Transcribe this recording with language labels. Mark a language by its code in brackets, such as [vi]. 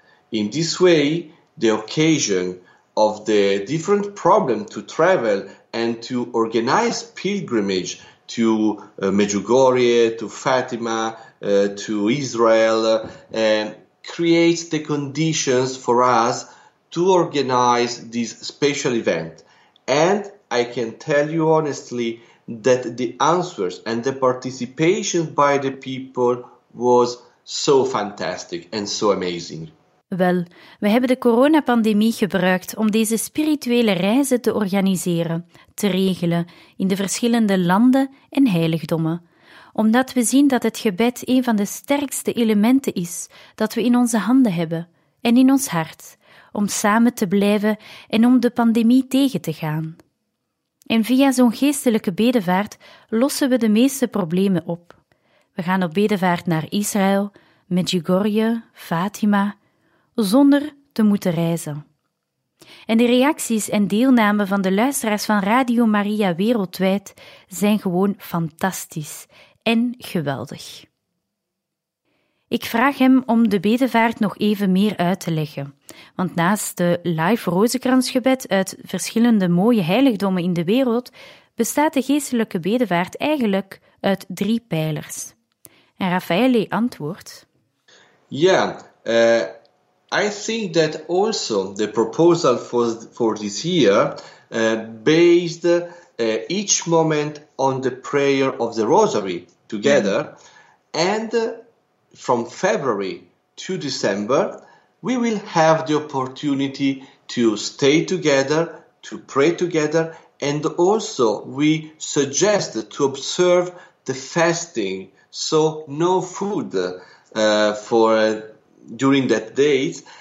[en] In this way, the occasion of the different problem to travel and to organize pilgrimage to Medjugorje, to Fatima, to Israel, creates the conditions for us to organize this special event. And I can tell you honestly that the answers and the participation by the people was so fantastic and so amazing. [nl] Wel, we hebben de coronapandemie gebruikt om deze spirituele reizen te organiseren, te regelen in de verschillende landen en heiligdommen. Omdat we zien dat het gebed een van de sterkste elementen is dat we in onze handen hebben en in ons hart, om samen te blijven en om de pandemie tegen te gaan. En via zo'n geestelijke bedevaart lossen we de meeste problemen op. We gaan op bedevaart naar Israël, Medjugorje, Fatima, zonder te moeten reizen. En de reacties en deelname van de luisteraars van Radio Maria wereldwijd zijn gewoon fantastisch en geweldig. Ik vraag hem om de bedevaart nog even meer uit te leggen. Want naast de live rozenkransgebed uit verschillende mooie heiligdommen in de wereld, bestaat de geestelijke bedevaart eigenlijk uit drie pijlers. En Raffaele antwoordt. [en] Ja, I think that also the proposal for this year based each moment on the prayer of the rosary together. Mm. And from February to December, we will have the opportunity to stay together, to pray together, and also we suggest to observe the fasting, so no food for during that date.